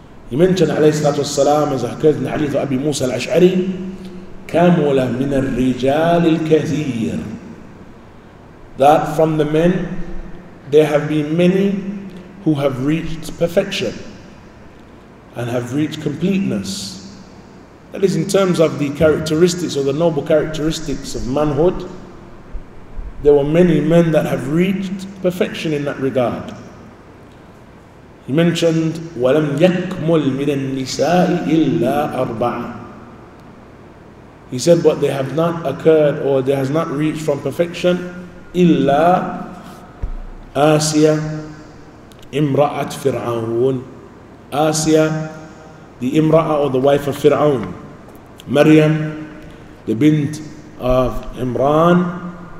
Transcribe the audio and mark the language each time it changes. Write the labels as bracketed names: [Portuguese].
[English] He mentioned alayhi salatu wasalam, as I heard in the hadith of Abi Musa al-Ash'ari, [Arabic] kamula min al-rijal al-kathir, [English] that from the men there have been many who have reached perfection and have reached completeness. That is, in terms of the characteristics or the noble characteristics of manhood, there were many men that have reached perfection in that regard. He mentioned, [Arabic] وَلَمْ يَكْمُلْ مِنَ النِّسَاءِ إِلَّا أَرْبَعًا. [English] He said, but they have not occurred, or they has not reached from perfection, [Arabic] إِلَّا آسِيَ إِمْرَأَةْ فِرْعَوْنَ. [English] آسِيَ, the إِمْرَأَة, or the wife of Fir'aun. Maryam, the bint of Imran.